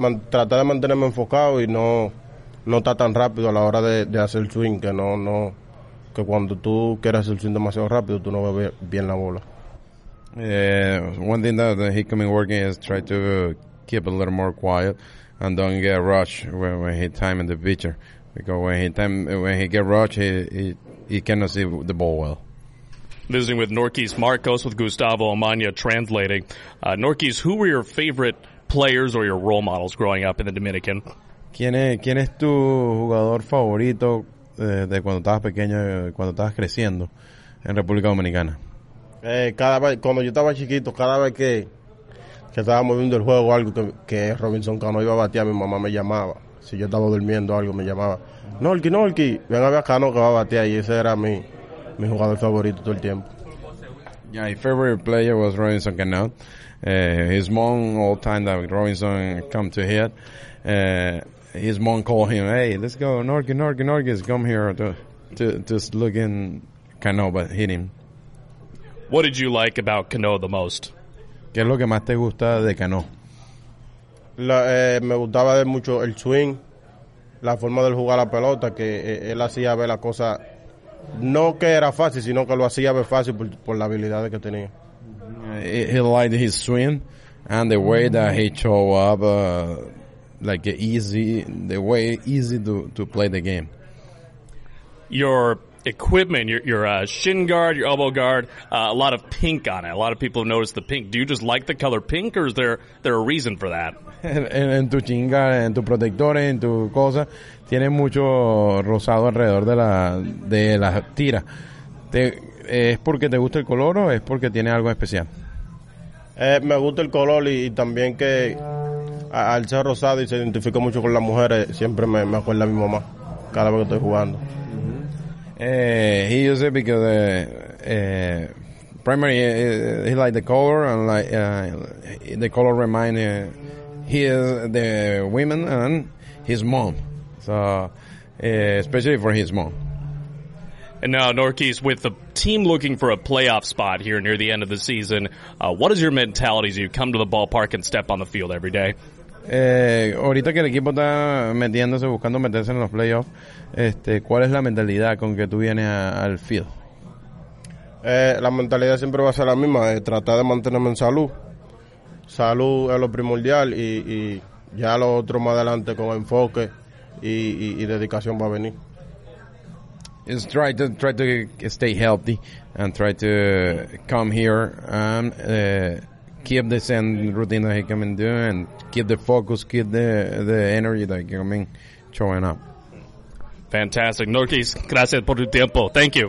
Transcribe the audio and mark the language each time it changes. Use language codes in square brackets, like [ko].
[es] Tratar de mantenerme enfocado y no estar tan rápido a la hora de hacer el swing, que no. Que cuando tú quieres el swing demasiado rápido, tú no ves bien la bola. [en] One thing that he coming working is try to keep a little more quiet and don't get rushed when he timing the pitcher, because when he get rushed, he cannot see the ball well. Visiting with Norquis Marcos with Gustavo Amaña translating. Norquis, who were your favorite players or your role models growing up in the Dominican? [es] ¿Quién es tu jugador favorito de cuando estabas pequeño, cuando estabas creciendo en República Dominicana? Cuando yo estaba chiquito, cada vez que estábamos viendo el juego o algo, que Robinson Cano iba a batear, mi mamá me llamaba. Si yo estaba durmiendo o algo, me llamaba: Norqui, ven a ver a Cano que va a batear. Y ese era mi jugador favorito todo el tiempo. [en] Yeah, my favorite player was Robinson Cano. His mom, all time that Robinson come to hit, his mom called him, hey, let's go, Norquis, come here to just look in Cano, but hit him. What did you like about Cano the most? [es] ¿Qué es lo que más te gusta de Cano? Me gustaba de mucho el swing, la forma de jugar la pelota, que él hacía ver la cosa, no que era fácil, sino que lo hacía ver fácil por la habilidad que tenía. [en] He liked his swing and the way that he show up, the way easy to play the game. Your equipment, your shin guard, your elbow guard, a lot of pink on it. A lot of people have noticed the pink. Do you just like the color pink, or is there a reason for that? [es] En tu shin guard, en tu protector, en tu cosa, tiene mucho rosado alrededor de la tira. ¿Es porque te gusta el color o es porque tiene algo especial? Me gusta el color y también que al ser rosado y se identifica mucho con las mujeres, siempre me acuerda a mi mamá cada vez que estoy jugando. [en] He used it because primary he liked the color, and like the color reminded him the women and his mom. So especially for his mom. And now, Norquis, with the team looking for a playoff spot here near the end of the season, what is your mentality as you come to the ballpark and step on the field every day? [es] Ahorita que el equipo está metiéndose, buscando meterse en los playoffs, ¿cuál es la mentalidad con que tú vienes al field? La mentalidad siempre va a ser la misma, tratar de mantenerme en salud. Salud es lo primordial, y ya lo otro más adelante con enfoque y dedicación va a venir. [en] Is try to stay healthy and try to come here and keep the same routine that he come and do, and keep the focus, keep the energy that he come in showing up. Fantastic. Norquis, [es] gracias por tu tiempo. [en] Thank you.